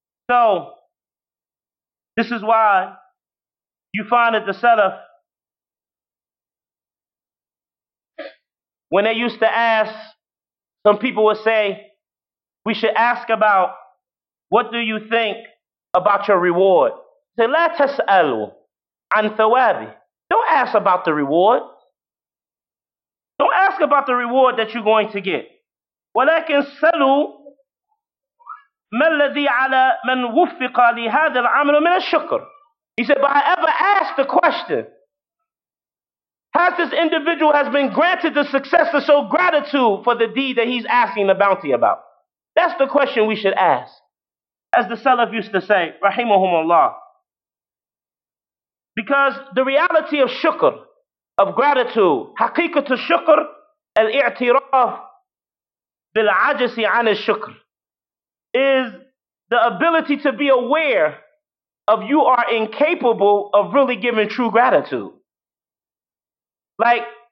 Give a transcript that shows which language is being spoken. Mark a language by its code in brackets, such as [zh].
[en] So, this is why you find that the Salaf, when they used to ask, some people would say, we should ask about, what do you think about your reward? [ar] Say, لا تسألوا عن ثوابي. [en] Don't ask about the reward. Don't ask about the reward that you're going to get. [ar] ولكن سألوا ما الذي على من وفق لهذا العمل من الشكر. [en] He said, but I ever asked the question, has this individual has been granted the success to show gratitude for the deed that he's asking the bounty about? That's the question we should ask. As the Salaf used to say, Rahimahum Allah. Because the reality of shukr, of gratitude, [ar] haqiqatu shukr, al-i'tiraf bil-ajasi an shukr, [en] is the ability to be aware of you are incapable of really giving true gratitude. Like,